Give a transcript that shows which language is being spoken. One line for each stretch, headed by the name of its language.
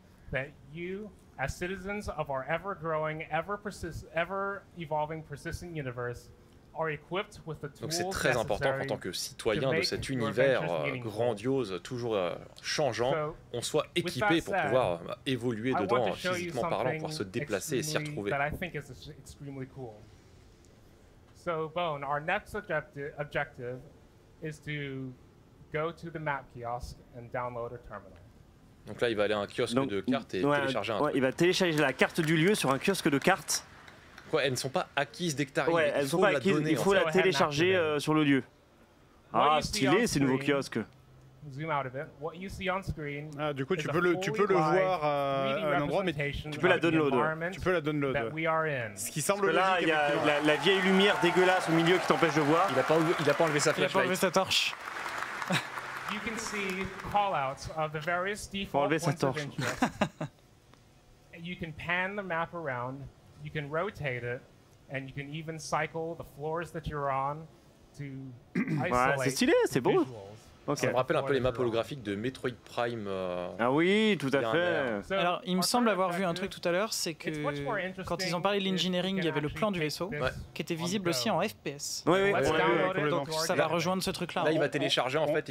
English: That you, as citizens of our ever-growing, ever-evolving, persistent universe, are equipped with the tools necessary.
French: Donc c'est très important qu'en tant que citoyen de cet univers grandiose, toujours changeant, on soit équipé pour pouvoir évoluer dedans, physiquement parlant, pouvoir se déplacer et s'y retrouver.
English: That I think is extremely cool. So Bone, our next objective is to go to the map kiosk and download a terminal.
French: Donc là, il va aller à un kiosque de cartes et télécharger un truc. Il va télécharger la carte du lieu sur un kiosque de cartes. Quoi, elles ne sont pas acquises dès que tu arrives. Elles sont pas acquises, il faut la télécharger sur le lieu. Ah, stylé ces nouveaux kiosques.
English: Zoom out of it. What you see on screen.
French: Ah, du coup, tu peux le voir à un endroit, mais tu peux la download. Tu peux la download. Ce qui semble là, il y a la vieille lumière dégueulasse au milieu qui t'empêche de voir. Il a pas enlevé sa flashlight. Il a pas enlevé sa torche.
English: You can see callouts of the various default points of interest. You can pan the map around, you can rotate it, and you can even cycle the floors that you're on to isolate
French: c'est stylé, c'est beau.
English: Visuals. Okay.
French: Ça me rappelle un peu les maps holographiques de Metroid Prime. Ah oui, tout à fait. Alors, il me semble avoir vu un truc tout à l'heure, c'est que quand ils ont parlé de l'engineering, il y avait le plan du vaisseau, ouais, qui était visible aussi en FPS. Oui, oui. Donc, ça va rejoindre ce truc-là. Là, il va télécharger, en fait.